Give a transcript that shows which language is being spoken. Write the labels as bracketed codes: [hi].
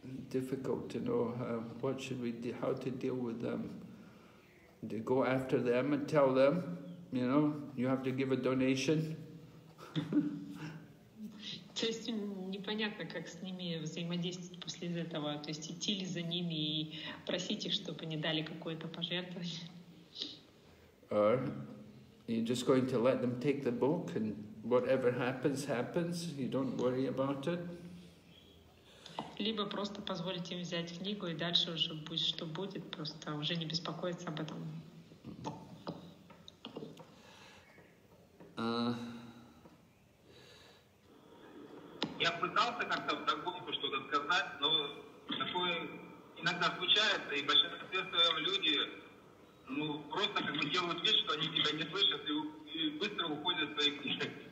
[en] Difficult to know what should we do, how to deal with them. To go after them and tell them, you know, you have to give a donation. [ru] То есть непонятно, как с ними взаимодействовать после этого, то есть идти ли за ними и просить их, чтобы они дали какое-то пожертвование. [en] Or you're just going to let them take the book and whatever happens, happens, you don't worry about it. [ru] Либо просто позволить им взять книгу и дальше уже будет, что будет, просто уже не беспокоиться об этом. Я пытался как-то в догонку что-то сказать, но такое иногда случается, и в большинстве своем люди, ну, просто как бы делают вид, что они тебя не слышат, и быстро уходят в свои книги.